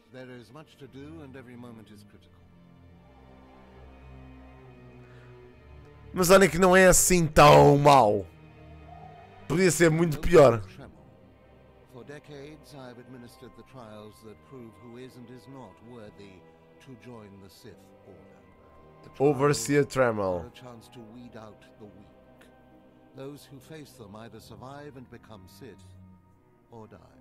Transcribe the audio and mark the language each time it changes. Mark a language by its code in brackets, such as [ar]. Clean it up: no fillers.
[en] There is much to do and every moment is critical. [pt] Mas olha que não é assim tão mal. Podia ser muito pior. [en] For decades I've administered the trials that prove who is and is not worthy to join the Sith Order. Overseer Tremel. A chance to weed out the weak. Those who face them either survive and become Sith or die.